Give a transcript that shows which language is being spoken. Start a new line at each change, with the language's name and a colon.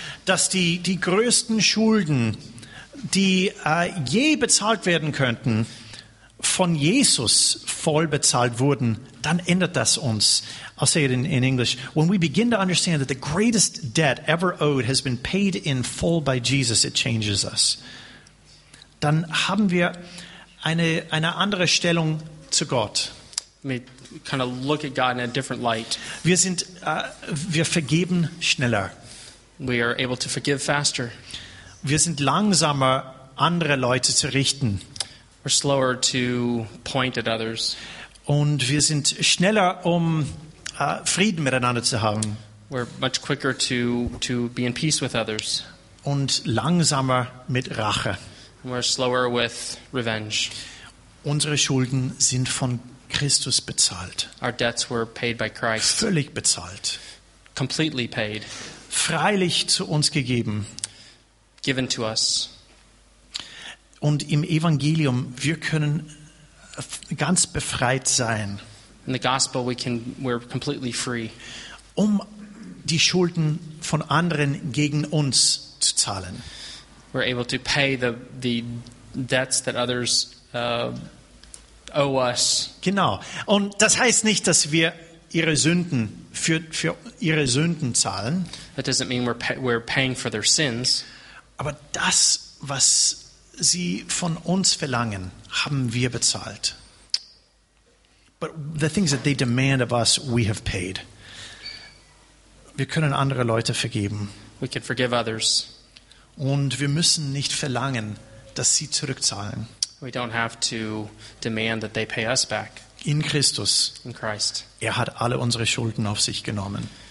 German: dass die größten Schulden, die je bezahlt werden könnten, von Jesus voll bezahlt wurden, dann ändert das uns.
English: I'll say it in English. When we begin to understand that the greatest debt ever owed has been paid in full by Jesus, it changes us.
German: Dann haben wir eine andere Stellung zu Gott.
English: We kind of look at God in a different light.
German: Wir vergeben schneller.
English: We are able to forgive faster.
German: Wir sind langsamer, andere Leute zu richten.
English: We're slower to point at others.
German: Und wir sind schneller, Frieden miteinander zu haben.
English: We're much quicker to be in peace with others.
German: Und langsamer mit Rache.
English: We're slower with revenge.
German: Unsere Schulden sind von Christus bezahlt.
English: Our debts were paid by Christ.
German: Völlig bezahlt.
English: Completely paid.
German: Freilich zu uns gegeben.
English: Given to us.
German: Und im Evangelium, wir können ganz befreit sein.
English: In the gospel we're completely free.
German: Um die Schulden von anderen gegen uns zu zahlen.
English: We're able to pay the debts that others owe us.
German: Genau. Und das heißt nicht, dass wir ihre Sünden für ihre Sünden zahlen.
English: That doesn't mean we're paying for their sins.
German: Aber das, was sie von uns verlangen, haben wir bezahlt.
English: But the things that they demand of us, we have paid.
German: Wir können andere Leute vergeben.
English: We can forgive others.
German: Und wir müssen nicht verlangen, dass sie zurückzahlen.
English: We don't have to demand that they pay us back.
German: In Christus.
English: In Christ.
German: Er hat alle unsere Schulden auf sich genommen.